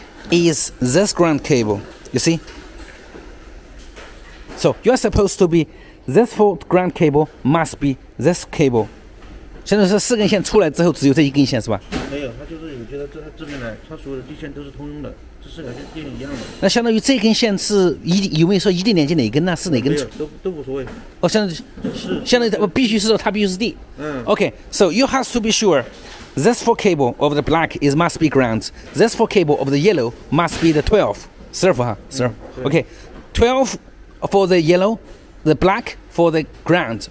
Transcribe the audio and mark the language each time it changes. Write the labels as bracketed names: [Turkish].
[English] Is this ground cable, you see? So you are supposed to be, this fourth ground cable must be this cable. [Chinese] 现在是四根线出来之后只有这一根线是吧？没有，它就是有些在这边呢，它所有的地线都是通用的，这四根线一样的。那相当于这根线是有没有说一定连接哪根呢？是哪根？没有，都无所谓。哦，相当于必须是它必须是 D。嗯。 [English] Okay, so you have to be sure. This four cable of the black is must be ground. This four cable of the yellow must be the 12. Serve, huh? Serve. Okay. 12 for the yellow, the black for the ground.